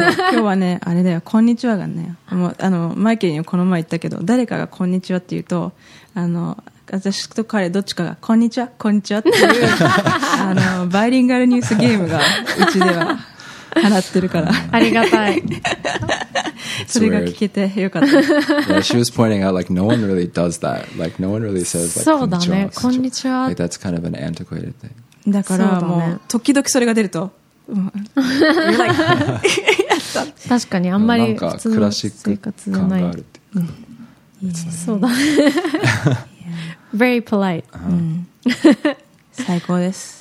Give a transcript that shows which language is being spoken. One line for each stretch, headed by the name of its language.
Japanese: 今日はね、あれだよ、こんにちはがね、もうあの、マイケルにこの前言ったけど、誰かがこんにちはって言うと、あの、私と彼どっちかがこんにちはこんにちはっていうあのバイリンガルニュースゲームがうちでは払ってるからありがたいそれが聞けてよかった。
English: Yeah, she was pointing out like no one really does that. Like no one really says like
Japanese: そうだね、こんにちは。
English: Like that's kind of an antiquated thing.
Japanese: だからもう時々それが出ると。確かにあんまり普通の生活がない。そうだね。
English: Very polite.
Japanese: Uh-huh. 最高です。